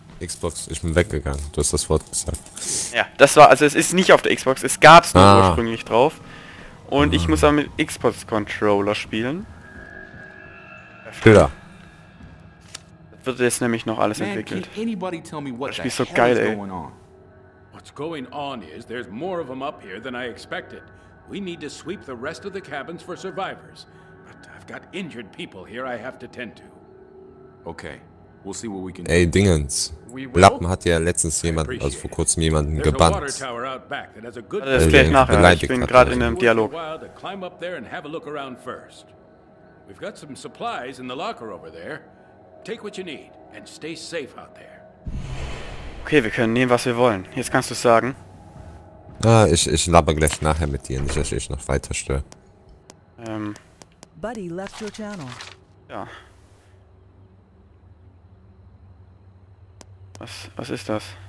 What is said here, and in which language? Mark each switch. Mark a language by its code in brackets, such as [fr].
[de] Xbox, ich bin weggegangen, du hast das Wort gesagt. Ja, das war, also es ist nicht auf der Xbox, es gab es nur ursprünglich drauf. Und ich muss aber mit Xbox-Controller spielen. Stiller. Das wird jetzt nämlich noch alles entwickelt. Das Spiel ist so geil, ey. [en] What's going on is there's more of them up here than I expected. We need to sweep the rest of the cabins for survivors. But I've got injured people here I have to tend to. Okay. We'll see what we can [de] do. Ey, Dingens. Lappen hat ja letztens jemanden, also vor kurzem jemanden gebannt. Das klärt nachher, ich bin gerade in einem Dialog. [en] Climb up there and have a look around first. We've got some supplies in the locker over there. Take what you need and stay safe out there. [de] Okay, wir können nehmen, was wir wollen. Jetzt kannst du sagen. Ah, ich labber gleich nachher mit dir, nicht, dass ich noch weiter störe. [en] Buddy left your channel. Ja. [de] Was ist das?